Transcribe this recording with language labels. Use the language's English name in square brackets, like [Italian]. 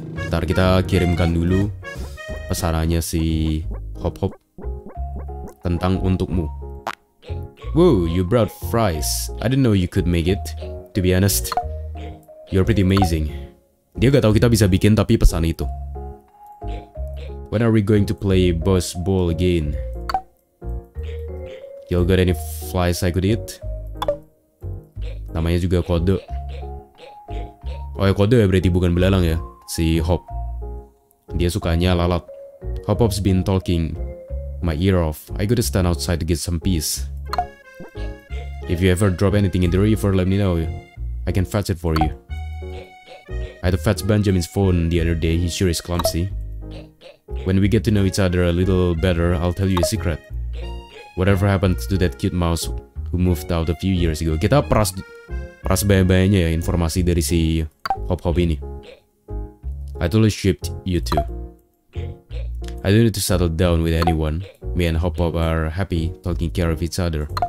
[Indonesian] Ntar kita kirimkan dulu pesanannya si Hop. Tentang untukmu. [English] Wow, you brought fries. I didn't know you could make it. To be honest, you're pretty amazing. [Indonesian] Dia gak tahu kita bisa bikin, tapi pesan itu. [English] When are we going to play boss ball again? You got any flies I could eat? [Indonesian] Namanya juga kode. Oh ya, kode ya, berarti bukan belalang ya. Si Hop. Dia sukanya lalat. [English] Hop's been talking my ear off. I gotta stand outside to get some peace. If you ever drop anything in the river, let me know. I can fetch it for you. I had to fetch Benjamin's phone the other day. He sure is clumsy. When we get to know each other a little better, I'll tell you a secret. Whatever happened to that cute mouse who moved out a few years ago? [Indonesian] Kita peras bayanya ya informasi dari si Hop ini. [English] I totally shipped you two. I don't need to settle down with anyone. Me and Hop are happy taking care of each other.